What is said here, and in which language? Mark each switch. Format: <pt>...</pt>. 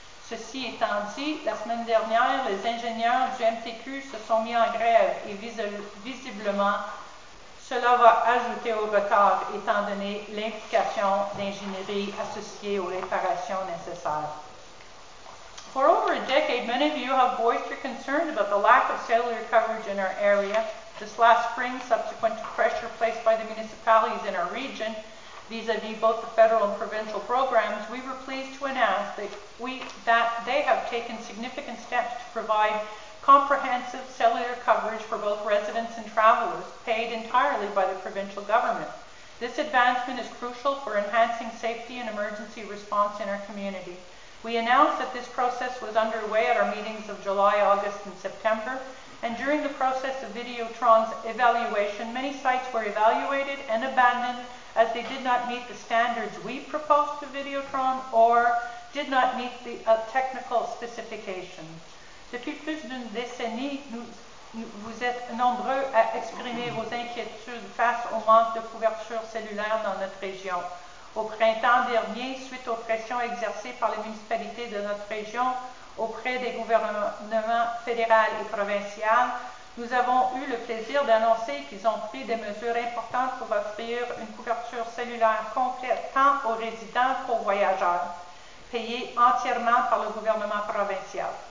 <fr>Ceci étant dit, la semaine dernière, les ingénieurs du MTQ se sont mis en grève et visiblement, cela va ajouter au retard étant donné l'implication d'ingénierie associée aux réparations nécessaires.</fr> <en>For over a decade, many of you have voiced your concerns about the lack of cellular coverage in our area. This last spring, subsequent to pressure placed by the municipalities in our region, vis-à-vis both the federal and provincial programs, we were pleased to announce that they have taken significant steps to provide comprehensive cellular coverage for both residents and travelers, paid entirely by the provincial government. This advancement is crucial for enhancing safety and emergency response in our community. We announced that this process was underway at our meetings of July, August, and September, and during the process of Videotron's evaluation, many sites were evaluated and abandoned as they did not meet the standards we proposed to Videotron or did not meet the technical specifications.</en> <fr>Depuis plus d'une décennie, vous êtes nombreux à exprimer vos inquiétudes face au manque de couverture cellulaire dans notre région. Au printemps dernier, suite aux pressions exercées par les municipalités de notre région, auprès des gouvernements fédéral et provincial, nous avons eu le plaisir d'annoncer qu'ils ont pris des mesures importantes pour offrir une couverture cellulaire complète tant aux résidents qu'aux voyageurs, payée entièrement par le gouvernement provincial.</fr>